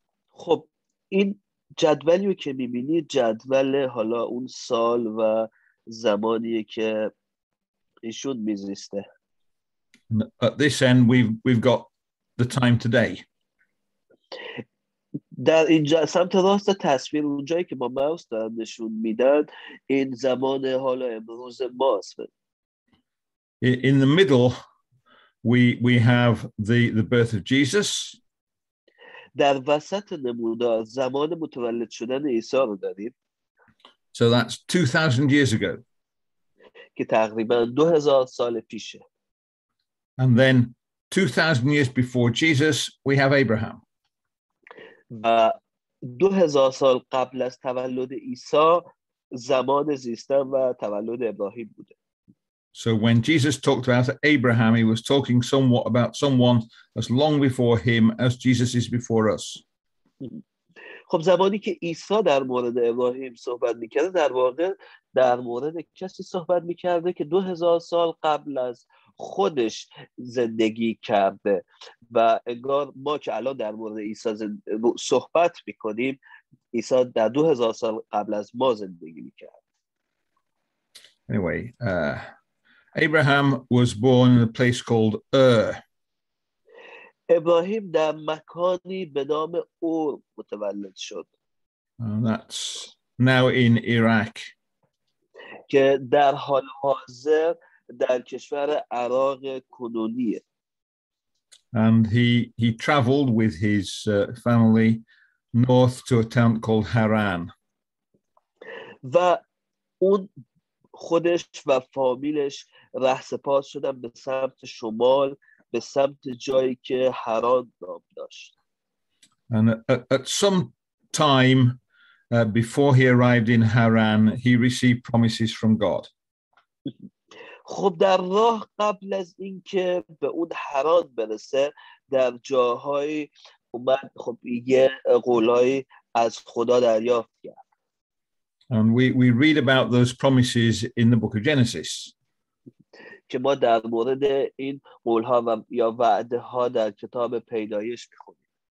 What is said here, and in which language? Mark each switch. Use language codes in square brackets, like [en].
[fa] خب این جدولی که می‌بینید جدول حالا اون سال و زمانی که ایشون می‌زیسته. [en] At this end we've got the time today. [fa] در اینجا سمت راست تصویر اونجایی که ما ماوس دارن نشون میدن این زمان حالا امروز ماست. [en] In the middle, we have the birth of Jesus. [fa] در وسط نمودار زمان متولد شدن عیسی رو داریم. [en] So that's 2,000 years ago. [fa] که تقریباً 2,000 سال پیشه. [en] And then 2,000 years before Jesus, we have Abraham. [fa] و 2,000 سال قبل از تولد عیسی زمان زیستن و تولد ابراهیم بوده. [en] So when Jesus talked about Abraham, he was talking somewhat about someone as long before him as Jesus is before us. [fa] خب زمانی که عیسی در مورد ابراهیم صحبت میکرده در واقع در مورد کسی صحبت میکرده که 2,000 سال قبل از خودش زندگی کرده و انگار ما که الان در مورد عیسی صحبت میکنیم عیسی در 2,000 سال قبل از ما زندگی میکرد. [en] Anyway, Abraham was born in a place called Ur. [fa] Ibrahim در مکانی به نام اور متولد شد. [en] And that's now in Iraq. [fa] که در حال حاضر در کشور عراق کنونیه. [en] And he traveled with his family north to a town called Haran. [fa] و اون خودش و فامیلش رهسپار شدن به سمت شمال به سمت جایی که حران نام داشت. [en] And at some time before he arrived in Haran, he received promises from God. [fa] خب در راه قبل از اینکه به اون حران برسه در جاهای اومد خب یه قولای از خدا دریافت کرد. [en] And we read about those promises in the book of Genesis. [fa] که ما در مورد این قول‌ها و یا وعده‌ها در کتاب پیدایش می‌خونیم.